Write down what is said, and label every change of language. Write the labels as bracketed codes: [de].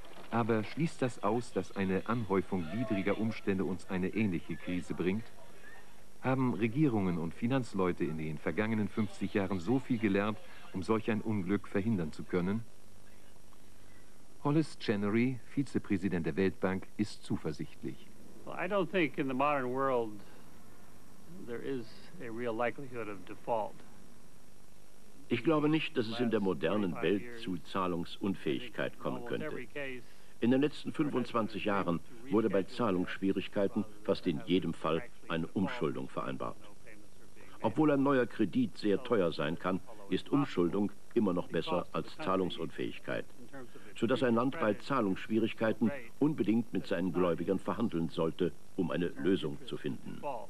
[de] Aber schließt das aus, dass eine Anhäufung widriger Umstände uns eine ähnliche Krise bringt? Haben Regierungen und Finanzleute in den vergangenen 50 Jahren so viel gelernt, um solch ein Unglück verhindern zu können? Hollis Chenery, Vizepräsident der Weltbank, ist zuversichtlich. [en] Well, I don't think in the modern world there is a real likelihood of default. [de] Ich glaube nicht, dass es in der modernen Welt zu Zahlungsunfähigkeit kommen könnte. In den letzten 25 Jahren wurde bei Zahlungsschwierigkeiten fast in jedem Fall eine Umschuldung vereinbart. Obwohl ein neuer Kredit sehr teuer sein kann, ist Umschuldung immer noch besser als Zahlungsunfähigkeit, sodass ein Land bei Zahlungsschwierigkeiten unbedingt mit seinen Gläubigern verhandeln sollte, um eine Lösung zu finden.